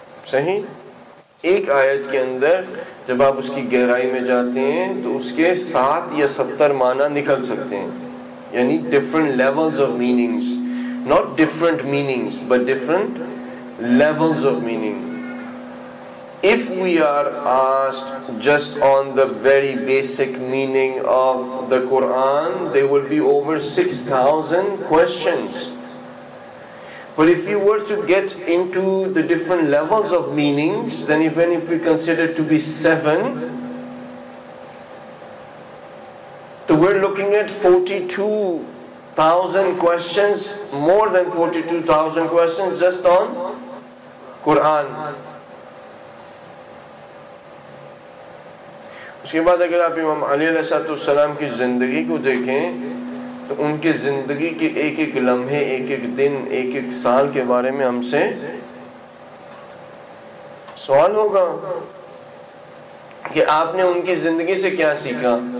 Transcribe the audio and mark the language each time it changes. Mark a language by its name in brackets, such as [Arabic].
[Urdu] صحیح؟ ایک آیت کے اندر جب آپ اس کی گہرائی میں جاتے ہیں تو اس کے 60 یا 70 معنی نکل سکتے ہیں، یعنی [English] Different levels of meanings, not different meanings but different levels of meaning. If we are asked just on the very basic meaning of the قرآن، they will be over 6000 questions. But if you were to get into the different levels of meanings, then even if we consider to be 7, so we're looking at 42,000 questions, more than 42,000 questions just on Quran. [Urdu] اس کے بعد اگر آپ امام علی علیہ السلام کی زندگی کو دیکھیں تو ان کی زندگی کے ایک ایک لمحے، ایک ایک دن، ایک ایک سال کے بارے میں ہم سے سوال ہوگا کہ آپ نے ان کی زندگی سے کیا سیکھا.